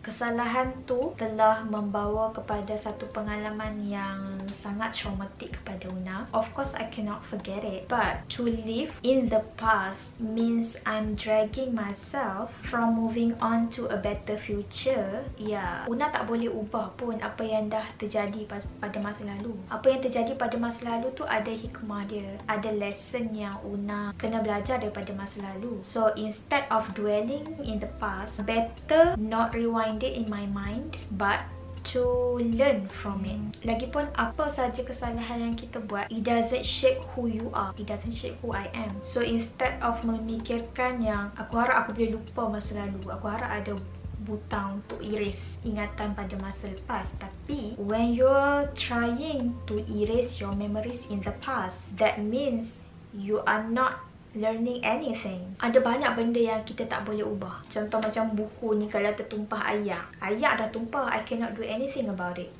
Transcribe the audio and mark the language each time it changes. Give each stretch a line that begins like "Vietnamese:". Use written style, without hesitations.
Malay: Kesalahan tu telah membawa kepada satu pengalaman yang sangat traumatik kepada Una.
English: Of course I cannot forget it, but to live in the past means I'm dragging myself from moving on to a better future.
Malay: Yeah, Una tak boleh ubah pun apa yang dah terjadi pada masa lalu. Apa yang terjadi pada masa lalu tu ada hikmah dia, ada lesson yang Una kena belajar daripada masa lalu.
English: So instead of dwelling in the past, better not rewind it in my mind, but to learn from it.
Malay: Lagipun apa saja kesalahan yang kita buat,
English: it doesn't shape who you are, it doesn't shape who I am. So instead of
Malay: memikirkan yang aku harap aku boleh lupa masa lalu, aku harap ada butang untuk erase ingatan pada masa lepas.
English: Tapi when you're trying to erase your memories in the past, that means you are not learning anything.
Malay: Ada banyak benda yang kita tak boleh ubah. Contoh macam buku ni, kalau tertumpah ayak, ayak dah tumpah,
English: I cannot do anything about it.